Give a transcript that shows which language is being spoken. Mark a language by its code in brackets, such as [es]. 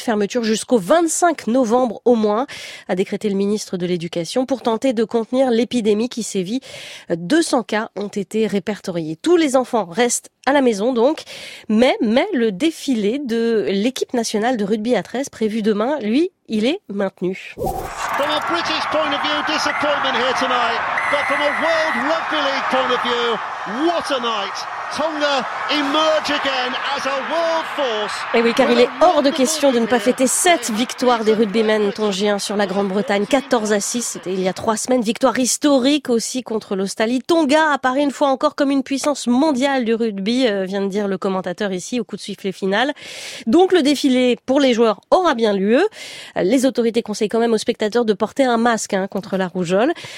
[fr] Fermeture jusqu'au 25 novembre au moins, a décrété le ministre de l'Éducation pour tenter de contenir l'épidémie qui sévit. 200 cas ont été répertoriés. Tous les enfants restent à la maison donc, mais le défilé de l'équipe nationale de rugby à 13 prévu demain, lui, il est maintenu. [en] From a British point of view, disappointment here tonight, but from a World Rugby League point of view, what a night! Tonga emerge again as a world force. [fr] Et oui, car il est hors de question de ne pas fêter 7 victoires des rugbymen tongiens sur la Grande-Bretagne. 14-6, c'était il y a 3 semaines. Victoire historique aussi contre l'Australie. Tonga apparaît une fois encore comme une puissance mondiale du rugby, vient de dire le commentateur ici au coup de sifflet final. Donc le défilé pour les joueurs aura bien lieu. Les autorités conseillent quand même aux spectateurs de porter un masque contre la rougeole.